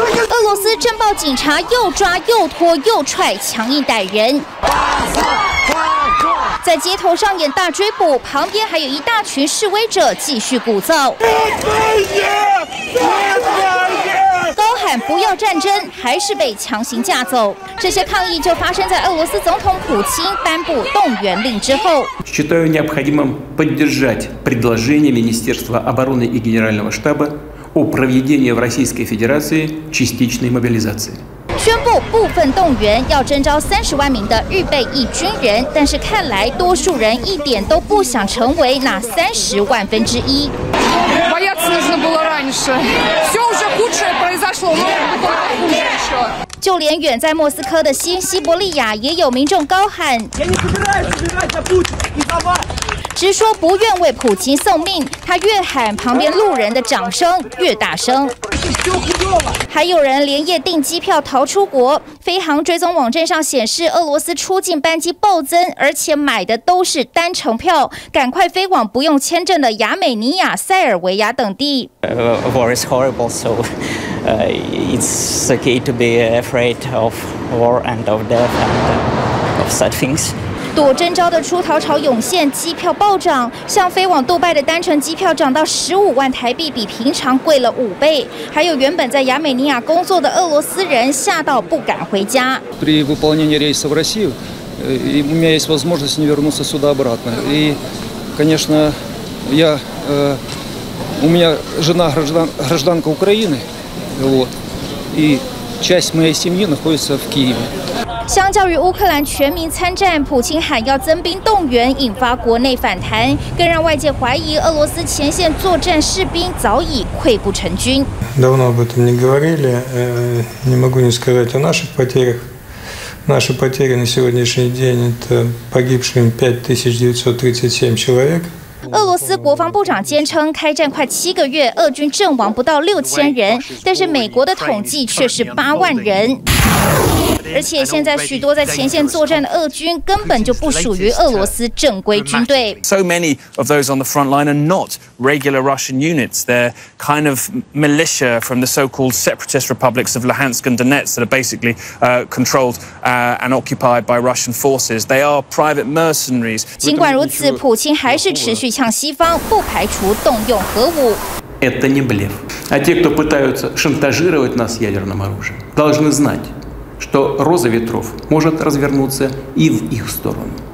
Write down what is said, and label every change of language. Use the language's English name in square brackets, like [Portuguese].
[Chinese] 俄罗斯政报警察又抓又拖又踹，强硬逮人，在街头上演大追捕，旁边还有一大群示威者继续鼓噪，高喊不要战争，还是被强行架走。这些抗议就发生在俄罗斯总统普京颁布动员令之后。 [Russian] считаю необходимым поддержать предложение Министерства обороны и Генерального штаба. о проведении в Российской Федерации частичной мобилизации. [Chinese] 宣布部分动员，要征召300,000名的预备役军人，但是看来多数人一点都不想成为那30,000分之1。 [Russian] Бояться нужно было раньше. Все уже худшее произошло, но это хуже еще. [Chinese] 就连远在莫斯科的西伯利亚，也有民众高喊。直说不愿为普京送命，他越喊，旁边路人的掌声越大声。还有人连夜订机票逃出国，飞航追踪网站上显示，俄罗斯出境班机暴增，而且买的都是单程票，赶快飞往不用签证的亚美尼亚、塞尔维亚等地。 [English] War is horrible, so it's okay to be afraid of war and of death and of such things. [Chinese] 躲征召的出逃潮涌现，机票暴涨，像飞往杜拜的单程机票涨到15万台币，比平常贵了5倍。还有原本在亚美尼亚工作的俄罗斯人吓到不敢回家。 [Russian] При выполнении рейса в Россию, у меня есть возможность не вернуться сюда обратно. И, конечно, я У меня жена гражданка Украины, вот, и часть моей семьи находится в Киеве。 [Chinese] 相较于乌克兰全民参战，普京喊要增兵动员，引发国内反弹，更让外界怀疑俄罗斯前线作战士兵早已溃不成军。 [Russian] Давно об этом не говорили, не могу не сказать о наших потерях. Наши потери на сегодняшний день это погибшие 5937 человек. [Chinese] 俄罗斯国防部长坚称，开战快七个月，俄军阵亡不到6000人，但是美国的统计却是8万人。而且现在许多在前线作战的俄军根本就不属于俄罗斯正规军队。 [English] So many of those on the front line are not regular Russian units. They're kind of militia from the so-called separatist republics of Luhansk and Donetsk that are basically controlled and occupied by Russian forces. They are private mercenaries. [Chinese] 尽管如此，普京还是持续向西方，不排除动用核武。 [Russian] Это не блеф. А те, кто пытаются шантажировать нас ядерным оружием, должны знать. что роза ветров может развернуться и в их сторону.